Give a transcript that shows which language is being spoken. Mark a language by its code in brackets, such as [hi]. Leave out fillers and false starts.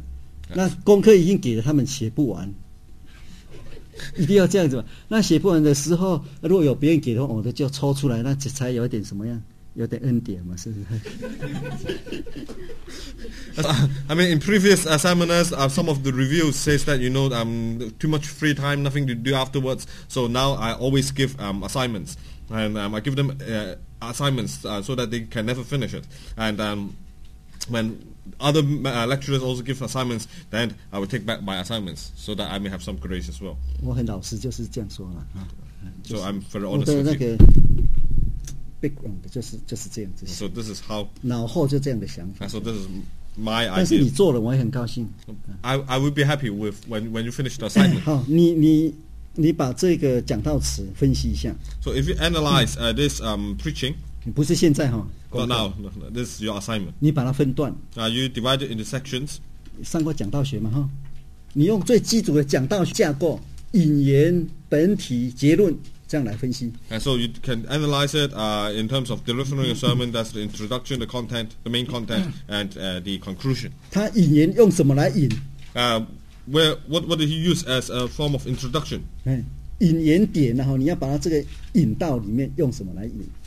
[zh] 因为有一些班，因为他后来他们检讨说，我们都没事做，啰啰嗦，来这里曾经这样，所以我以后就记住，到没班已经给功课，那功课已经给了，他们写不完。一定要这样子嘛，那写不完的时候，如果有别人给的话，我的就抽出来，那才有一点什么样，有点恩典嘛，是不是？ [en] I mean, in previous seminars, some of the reviews says that, you know, too much free time, nothing to do afterwards, so now I always give assignments, and I give them assignments so that they can never finish it, and when other lecturers also give assignments, then I will take back my assignments so that I may have some grace as well. [zh] 我很老实就是这样说了。 [en] So I'm very honest with you. [zh] 我的那个background就是这样子。 [en] So this is how [zh] 脑后就这样的想法。 [en] So this is my idea. [zh] 但是你做了我也很高兴。 [en] I will be happy with when you finish the assignment. [zh] 好，你把这个讲道词分析一下。 [en] So if you analyze this preaching. [zh] 不是现在哈。 [en] Not now, this is your assignment. [zh] 你把它分段, [en] you divide it into sections. [zh] 上过讲道学吗? 你用最基础的讲道学架构, 引言, 本体, 结论, 这样来分析。 [en] And so you can analyze it in terms of delivering a sermon, that's the introduction, the content, the main content, and the conclusion. [zh] 他引言用什么来引? [en] What did he use as a form of introduction? [zh] 引言点, 你要把它这个引到里面用什么来引?